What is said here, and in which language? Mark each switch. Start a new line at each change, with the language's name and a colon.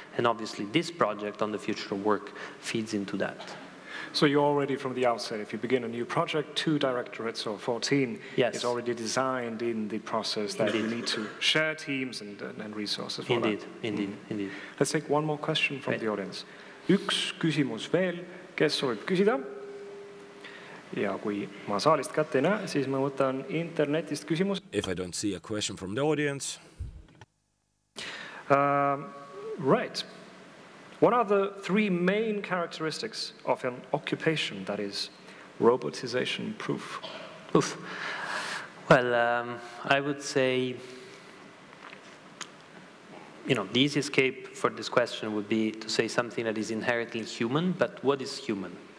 English: And obviously, this project on the future of work feeds into that. So you already, from the outset, if you begin a new project, two directorates or 14, yes, is already designed in the process that indeed you need to share teams and resources for indeed that. Indeed, mm, indeed. Let's take one more question from the audience.
Estonian: Üks küsimus veel, kes soovib küsida. Ja kui ma saalist kätte ei näe, siis ma võtan internetist küsimus.
English: If I don't see a question from the audience. Right. What are the three main characteristics of an occupation that is robotization proof? Oof. Well, I would say, you know, the easy escape for this question would be to say something that is inherently human, but what is human?